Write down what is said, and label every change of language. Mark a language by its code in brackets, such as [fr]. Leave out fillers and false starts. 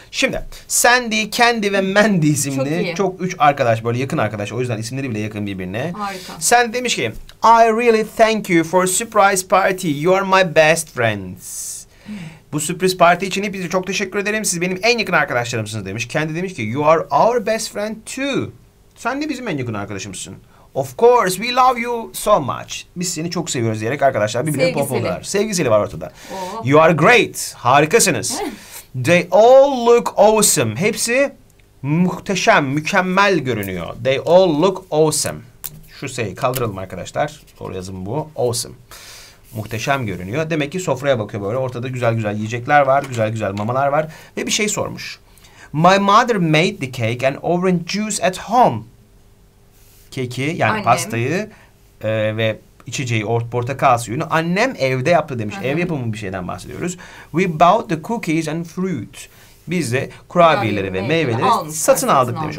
[tr] Şimdi Sandy, Candy ve Mandy isimli çok üç arkadaş, böyle yakın arkadaş. O yüzden isimleri bile yakın birbirine. Harika. [en] Sandy [tr] demiş ki, [en] I really thank you for surprise party. You are my best friends. [tr] Bu sürpriz parti için hepinize çok teşekkür ederim. Siz benim en yakın arkadaşlarımsınız demiş. [en] Candy [tr] demiş ki, [en] you are our best friend too. [tr] Sen de bizim en yakın arkadaşımsın. [en] Of course, we love you so much. [tr] Biz seni çok seviyoruz diyerek arkadaşlar birbirine popolar. Sevgisiyle var ortada. Oh. [en] You are great. [tr] Harikasınız. [en] They all look awesome. [tr] Hepsi muhteşem, mükemmel görünüyor. [en] They all look awesome. [tr] Şu şeyi kaldıralım arkadaşlar. Doğru yazım bu. [en] Awesome. [tr] Muhteşem görünüyor. Demek ki sofraya bakıyor böyle. Ortada güzel güzel yiyecekler var. Güzel güzel mamalar var. Ve bir şey sormuş. [en] My mother made the cake and orange juice at home. [tr] Keki yani annem. Pastayı ve içeceği portakal suyunu annem evde yaptı demiş. Ev yapımı bir şeyden bahsediyoruz. [en] We bought the cookies and fruit. [tr] Biz de kurabiyeleri ve meyveleri satın aldık demiş.